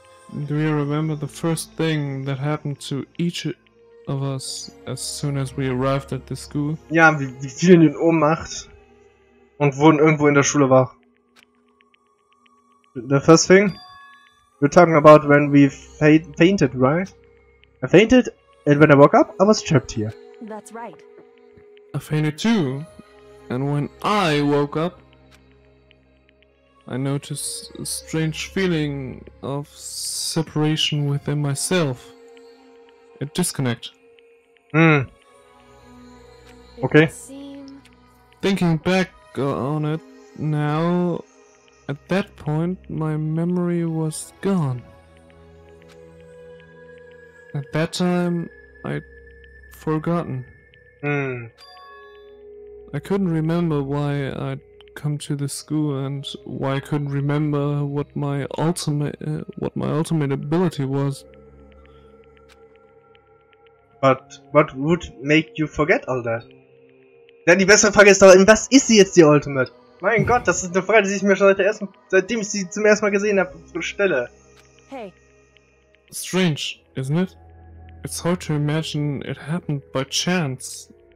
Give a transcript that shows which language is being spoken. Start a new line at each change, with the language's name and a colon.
English: Do you remember the first thing that happened to each of us as soon as we arrived at the school?
German: Ja, wie vielen in Ohnmacht und wurden irgendwo in der Schule wach.
English: The first thing? You're talking about when we fainted, right? I fainted? And when I woke up, I was trapped here. That's right. I fainted too. And when I woke up, I noticed a strange feeling of separation within myself. A disconnect. Hmm. Okay. Thinking back on it now, at that point, my memory was gone. At that time, I'd forgotten. Hmm. I couldn't remember why I'd come to the school and why I couldn't remember what my ultimate ability was. But what would make you forget all that?
German: Denn die beste Frage ist doch, in was ist sie jetzt die Ultimate? Mein Gott, das ist eine Frage, die ich mir schon seitdem ich sie zum ersten Mal gesehen habe, stelle.
English: Hey. Strange, isn't it? It's hard to imagine it happened by chance.